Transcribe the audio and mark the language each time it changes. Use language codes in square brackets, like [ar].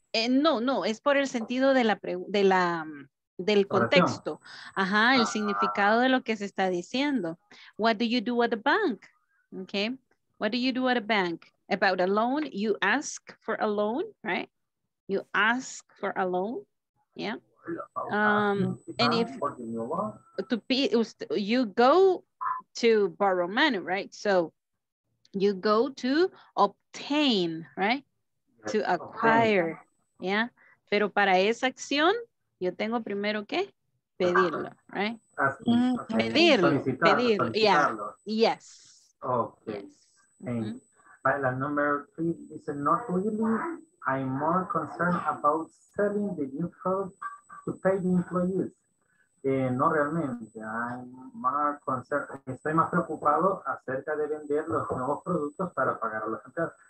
[es] No, es por el sentido de la pregunta, de la... del contexto. Ajá, el significado de lo que se está diciendo. [en] What do you do at the bank? Okay. What do you do at a bank? About a loan, you ask for a loan, right? You ask for a loan. Yeah. And if to be, you go to borrow money, right? So you go to obtain, right? To acquire. Yeah. [es] Pero para esa acción, yo tengo primero que pedirlo, right? Okay. Pedirlo, pedirlo, yeah. Yes. [en] Okay. Yes. Mm-hmm. But the number three is not really. I'm more concerned about selling the new product to pay the employees. [es] No realmente. [en] I'm more concerned. [es] Estoy más preocupado acerca de vender los nuevos productos para pagar a los empleados.